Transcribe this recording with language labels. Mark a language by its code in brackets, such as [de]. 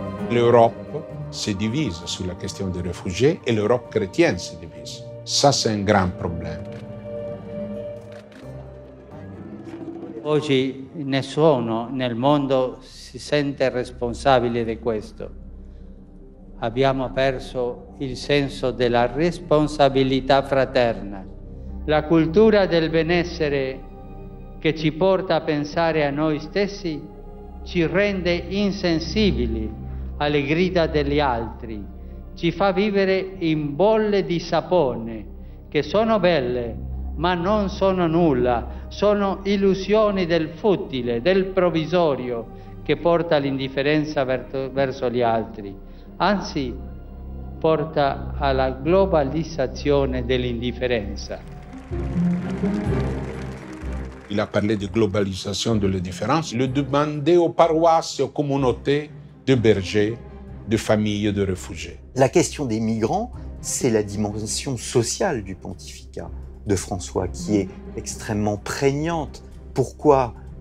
[fr] L'Europe s'est divise sur la question des réfugiés et l'Europe chrétienne s'est divise. Ça, c'est un grand problème. [it] Oggi nessuno nel mondo si sente responsabile di questo. Abbiamo perso il senso della responsabilità fraterna. La cultura del benessere che ci porta a pensare a noi stessi ci rende insensibili alle grida degli altri, ci fa vivere in bolle di sapone che sono belle, ma non sono nulla, sono illusioni del futile, del provvisorio che porta all'indifferenza verso gli altri, anzi porta alla globalizzazione dell'indifferenza. [fr] Il a parlé de globalisation de l'indifférence. Il a demandé aux paroisses, aux communautés, de bergers, de familles, de réfugiés. La question des migrants, c'est la dimension sociale du pontificat de François qui est extrêmement prégnante. Pourquoi ?